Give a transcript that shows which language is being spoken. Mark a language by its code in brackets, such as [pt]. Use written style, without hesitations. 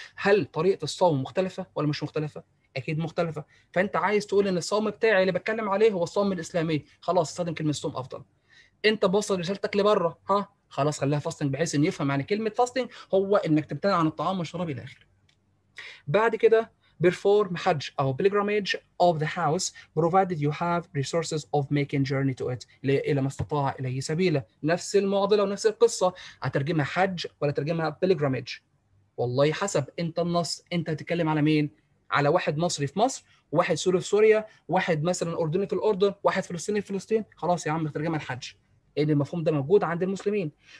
[ar] هل طريقة الصوم مختلفة ولا مش مختلفة؟ اكيد مختلفه. فانت عايز تقول ان الصوم بتاعي اللي بتكلم عليه هو الصوم الاسلامي, خلاص استخدم كلمه صوم افضل. انت بوصل رسالتك لبره, ها خلاص خليها فاستنج, بحيث ان يفهم يعني كلمه فاستنج هو انك تمتنع عن الطعام والشراب الى اخره. بعد كده [en] perform حج او pilgrimage of the house provided you have resources of making journey to it, [ar] الى ما استطاع اليه سبيله. نفس المعضله ونفس القصه, هترجمها حج ولا ترجمها pilgrimage؟ والله حسب انت النص, انت هتتكلم على مين, على واحد مصري في مصر, واحد سوري في سوريا, واحد مثلا اردني في الاردن, واحد فلسطيني في فلسطين, خلاص يا عم ترجم الحج ان المفهوم ده موجود عند المسلمين.